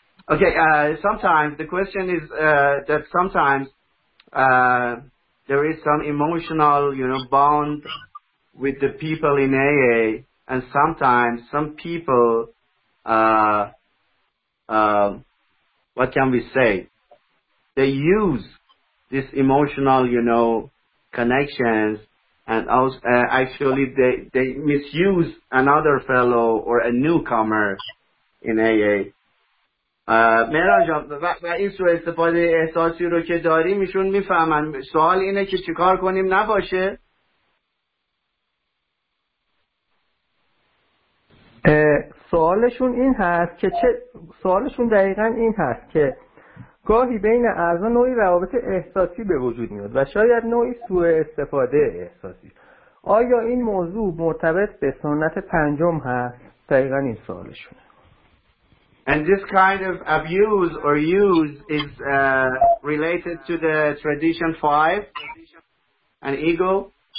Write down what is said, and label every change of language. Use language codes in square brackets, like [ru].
[en] Okay, sometimes the question is that sometimes there is some emotional, you know, bond with the people in AA, and sometimes some people what can we say? They use this emotional, you know, connections, and also actually they misuse another fellow or a newcomer in AA. [fa] مهران جان، و این سوء استفاده احساسی رو که داریم ایشون میفهمن. سوال اینه که چیکار کنیم نباشه؟ سوالشون این هست که سوالشون دقیقا این هست که گاهی بین اعضا نوعی روابط احساسی به وجود میاد و شاید نوعی سوء استفاده احساسی. آیا این موضوع مرتبط به سنت پنجم هست؟ دقیقا این سوالشونه. [en] And this kind of abuse or use is related to the tradition 5 and ego?